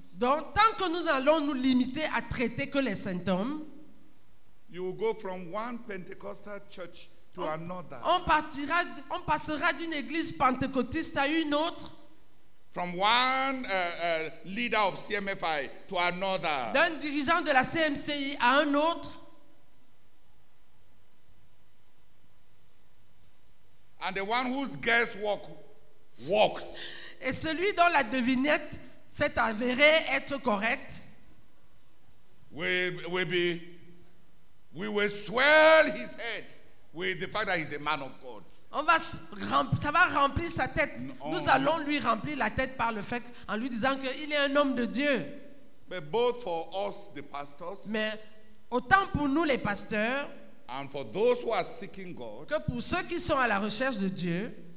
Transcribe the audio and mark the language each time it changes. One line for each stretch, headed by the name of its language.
French: Donc tant que nous allons nous limiter à traiter que les symptômes.
English: You will go from one Pentecostal church to another.
French: On passera d'une église pentecôtiste à une autre.
English: From one leader of CMFI to another.
French: D'un dirigeant de la CMCI à un autre.
English: And the one whose guesswork works.
French: Et celui dont la devinette s'est avérée être correcte.
English: We will swell his head with the fact that he's a man of God.
French: Ça va remplir sa tête. No. Nous allons lui remplir la tête par le fait en lui disant qu'il est un homme de Dieu.
English: But both for us, the pastors,
French: mais autant pour nous les pasteurs
English: and for those who are seeking God,
French: que pour ceux qui sont à la recherche de Dieu,